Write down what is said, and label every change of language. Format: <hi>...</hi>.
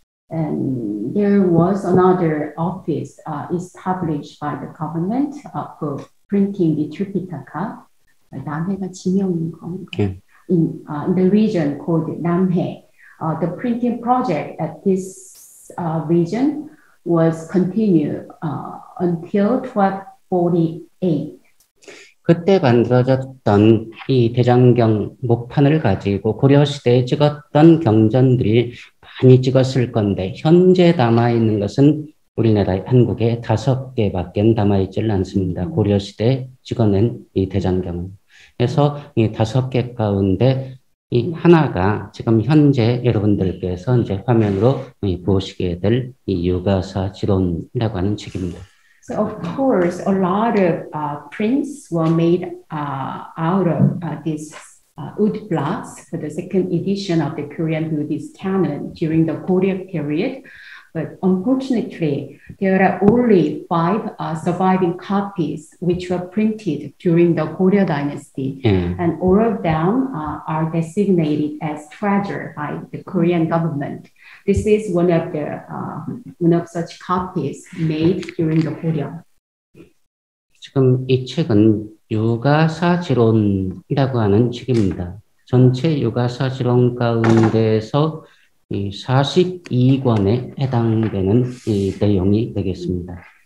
<en>And there was another office established by the government for printing the Tripitaka,</en> <ko>남해가 지명인 건가?</ko> <en>In the region called 남해. The printing project at this region was continued until 1248.</en> <ko>그때 만들어졌던 이 대장경 목판을 가지고 고려시대에 찍었던 경전들이 많이 찍었을 건데 현재 남아있는 것은 우리나라 한국에 5개밖에 남아있질 않습니다. 고려시대에 찍어낸 이 대장경은. 그래서 이 5개 가운데 이 하나가 지금 현재 여러분들께서 이제 화면으로 보시게 될 이 유가사 지론이라고 하는 책입니다.</ko> <en>So of course, a lot of prints were made out of these wood blocks for the second edition of the Korean Buddhist canon during the Goryeo period. But unfortunately, there are only 5 surviving copies which were printed during the Goryeo dynasty. Mm. And all of them are designated as treasure by the Korean government. This is one of the one of such copies made during the Goryeo.</en> <ko>지금 이 책은 유가사 지론이라고 하는 책입니다. 전체 유가사 지론 가운데서 이 42권에 해당되는 이 내용이 되겠습니다.</ko>